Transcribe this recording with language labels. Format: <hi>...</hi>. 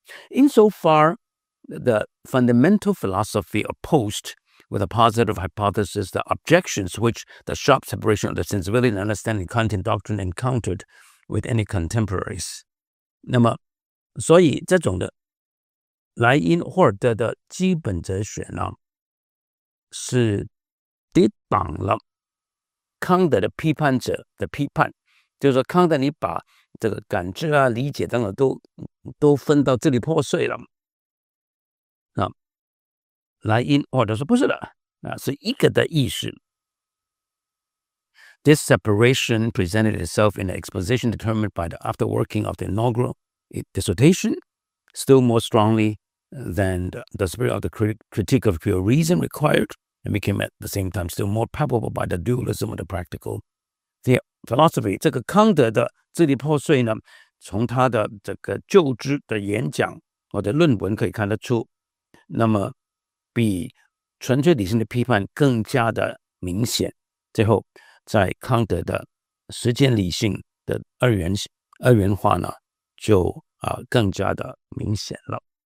<en>Insofar the fundamental philosophy opposed with a positive hypothesis the objections which the sharp separation of the sensibility and understanding content doctrine encountered with any contemporaries.</en> <zh>那么所以这种的莱因霍尔德的基本哲学呢是抵挡了康德的批判者的批判，就是说康德你把这个感知啊理解等等都分到这里破碎了。那莱因霍尔德说不是的，是一个的意识。</zh> <en>This separation presented itself in an exposition determined by the after working of the inaugural dissertation, still more strongly than the spirit of the critique of pure reason required, and became at the same time still more palpable by the dualism of the practical the philosophy.</en> <zh>这个康德的支离破碎呢，从他的这个就职的演讲或者论文可以看得出，那么比纯粹理性的批判更加的明显。最后在康德的时间理性的二元化呢，就更加的明显了。</zh>